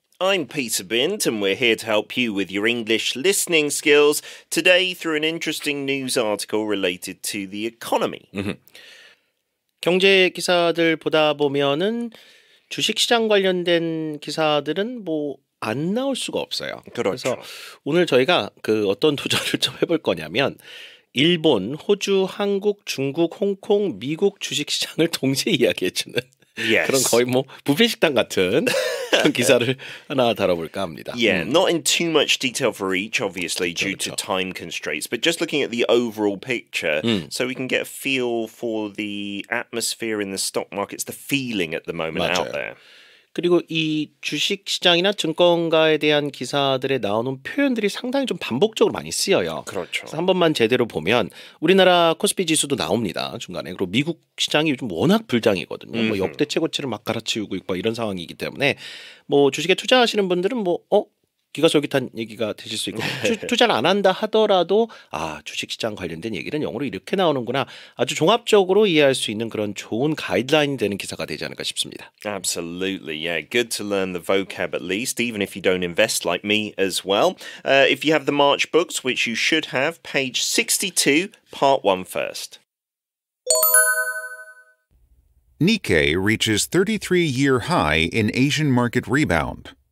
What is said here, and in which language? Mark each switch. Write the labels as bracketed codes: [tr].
[en] I'm Peter Bint, and we're here to help you with your English listening skills today through an interesting news article related to the economy. Mm-hmm. [ko] 경제 기사들 보다 보면은 주식시장 관련된 기사들은 뭐 안 나올 수가 없어요. 그렇죠. 그래서 오늘 저희가 그 어떤 도전을 좀 해볼 거냐면 일본, 호주, 한국, 중국, 홍콩, 미국 주식시장을 동시에 이야기해주는 [en] yes. [ko] 그런 거의 뭐 부패식당 같은 기사를 하나 다뤄볼까 합니다. [en] Yeah, not in too much detail for each, obviously, [ko] 그렇죠, [en] due [ko] 그렇죠. [en] to time constraints, but just looking at the overall picture, so we can get a feel for the atmosphere in the stock markets, the feeling at the moment [ko] 맞아요. [en] out there. [ko] 그리고 이 주식시장이나 증권가에 대한 기사들에 나오는 표현들이 상당히 좀 반복적으로 많이 쓰여요. 그렇죠. 그래서 한 번만 제대로 보면 우리나라 코스피 지수도 나옵니다. 중간에. 그리고 미국 시장이 요즘 워낙 불장이거든요. 뭐 역대 최고치를 막 갈아치우고 있고 이런 상황이기 때문에 뭐 주식에 투자하시는 분들은 뭐 기가솔깃한 얘기가 되실 수 있고 투자를 안 한다 하더라도 아 주식시장 관련된 얘기는 영어로 이렇게 나오는구나 아주 종합적으로 이해할 수 있는 그런 좋은 가이드라인이 되는 기사가 되지 않을까 싶습니다. [en] Absolutely, yeah. Good to learn the vocab at least, even if you don't invest like me as well. If you have the March books, which you should have, page 62, part 1 first. Nikkei reaches 33-year high in Asian market rebound.